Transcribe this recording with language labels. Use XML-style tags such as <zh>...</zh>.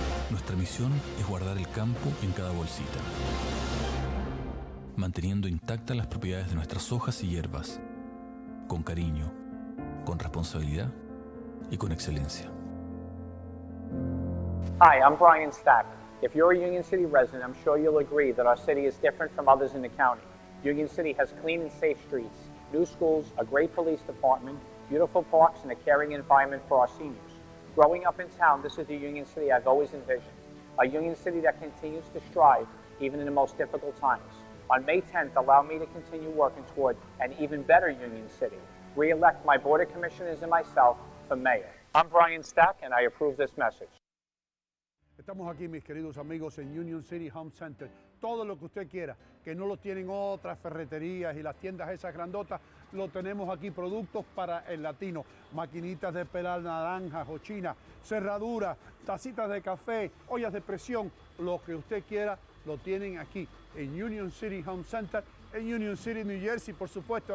<es>Nuestra misión es guardar el campo en cada bolsita, manteniendo intactas las propiedades de nuestras hojas y hierbas, con cariño, con responsabilidad y con excelencia.</es> <en>Hi, I'm Brian Stack. If you're a Union City resident, I'm sure you'll agree that our city is different from others in the county. Union City has clean and safe streets, new schools, a great police department, beautiful parks, and a caring environment for our seniors. Growing up in town, this is the Union City I've always envisioned, a Union City that continues to strive even in the most difficult times. On May 10th, allow me to continue working toward an even better Union City. Re-elect my board of commissioners and myself for mayor. I'm Brian Stack, and I approve this message.</en> <es>Estamos aquí, mis queridos amigos, en Union City Home Center. Todo lo que usted quiera, que no lo tienen otras ferreterías y las tiendas esas grandotas, lo tenemos aquí, productos para el latino. Maquinitas de pelar naranjas o chinas, cerraduras, tacitas de café, ollas de presión, lo que usted quiera, lo tienen aquí en Union City Home Center, en Union City, New Jersey, por supuesto.</es>